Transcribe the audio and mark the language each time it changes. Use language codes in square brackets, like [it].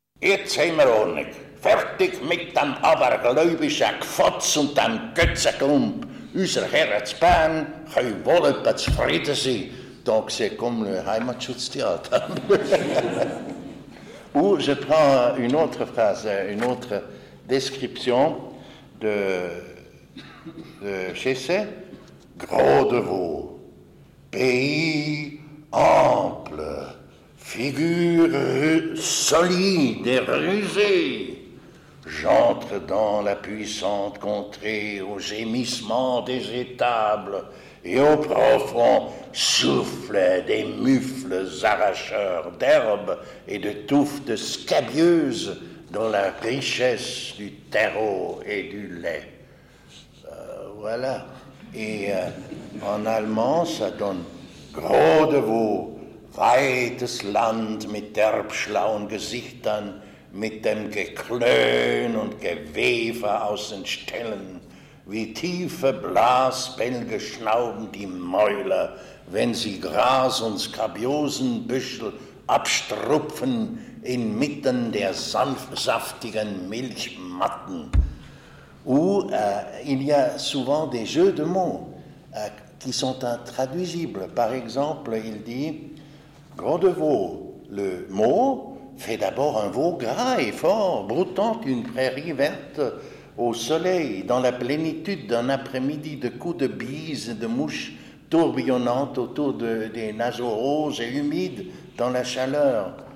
[de] Jetzt haben wir Ordnung. Fertig mit dem abergläubischen Gfotz und dem Götzeglump. Unsere Herren zu Bern können wohl etwa zufrieden sein. Da sieht kommen wir Heimatschutztheater. [fr] Je prends une autre phrase, une autre description de Chessé. Gros de veau, pays ample, figure solide et rusée. J'entre dans la puissante contrée aux gémissements des étables et au profond souffle des mufles arracheurs d'herbes et de touffes scabieuses dans la richesse du terreau et du lait. Voilà. Et en allemand, ça donne gros de veau, [de] weites Land mit derbschlauen Gesichtern, mit dem Geklön und Gewefe aus den Ställen, wie tiefe Blasbälge schnauben die Mäuler, wenn sie Gras und Skabiosenbüschel abstrupfen inmitten der sanftsaftigen Milchmatten. [fr] Où il y a souvent des jeux de mots qui sont intraduisibles. Par exemple, il dit « gros de veau ». Le mot fait d'abord un veau gras et fort, broutant une prairie verte au soleil, dans la plénitude d'un après-midi de coups de bise et de mouches tourbillonnantes autour des naseaux roses et humides dans la chaleur.